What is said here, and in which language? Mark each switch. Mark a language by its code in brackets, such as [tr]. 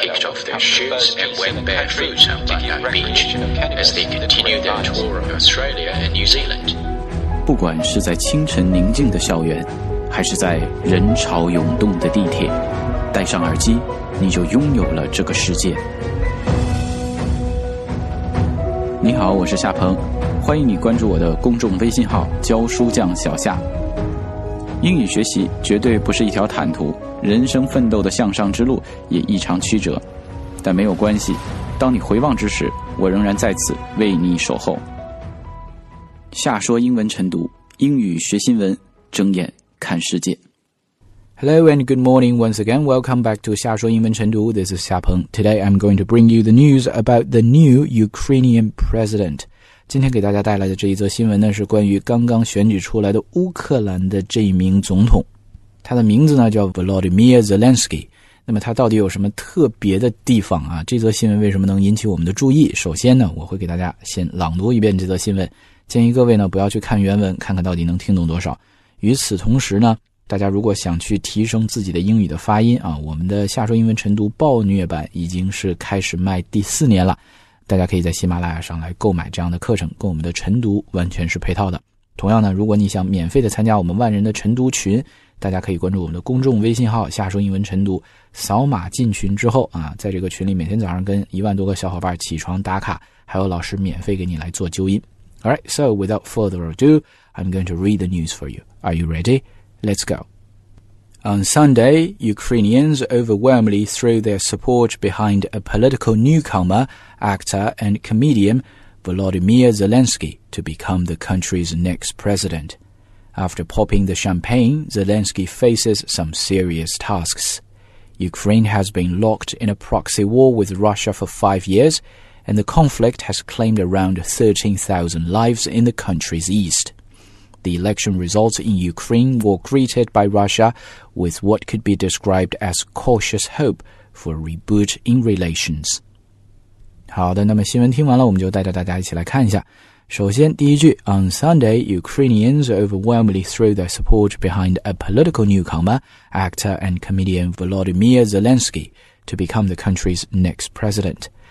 [en] kicked off their shoots and went barefoot on Bondi Beach as they continued their tour of Australia and New Zealand. [zh] 不管是在清晨宁静的校园，还是在人潮涌动的地铁，戴上耳机，你就拥有了这个世界。你好，我是夏鹏，欢迎你关注我的公众微信号教书匠小夏。英语学习绝对不是一条坦途，人生奋斗的向上之路也异常曲折，但没有关系，当你回望之时，我仍然在此为你守候。夏说英文晨读，英语学新闻，睁眼看世界。 [en] Hello and good morning once again. Welcome back to 夏说英文晨读.This is 夏鹏. Today I'm going to bring you the news about the new Ukrainian president. [zh] 今天给大家带来的这一则新闻呢，是关于刚刚选举出来的乌克兰的这一名总统。他的名字呢叫 Volodymyr Zelensky。那么他到底有什么特别的地方啊？这则新闻为什么能引起我们的注意？首先呢，我会给大家先朗读一遍这则新闻，建议各位呢不要去看原文，看看到底能听懂多少。与此同时呢，大家如果想去提升自己的英语的发音啊，我们的夏说英文晨读暴虐版已经是开始卖第四年了，大家可以在喜马拉雅上来购买这样的课程，跟我们的晨读完全是配套的。同样呢，如果你想免费的参加我们万人的晨读群，大家可以关注我们的公众微信号夏说英文晨读，扫码进群之后啊，在这个群里每天早上跟10000多个小伙伴起床打卡，还有老师免费给你来做纠音。 [en] Alright, so without further ado, I'm going to read the news for you. Are you ready? Let's go. On Sunday, Ukrainians overwhelmingly threw their support behind a political newcomer, actor and comedian Volodymyr Zelensky, to become the country's next president. After popping the champagne, Zelensky faces some serious tasks. Ukraine has been locked in a proxy war with Russia for 5 years, and the conflict has claimed around 13,000 lives in the country's east. The election results in Ukraine were greeted by Russia with what could be described as cautious hope for a reboot in relations. [zh] 好的，那么新闻听完了，我们就带着大家一起来看一下。首先第一句， [en] On Sunday, Ukrainians overwhelmingly threw their support behind a political newcomer, actor and comedian Volodymyr Zelensky, to become the country's next president.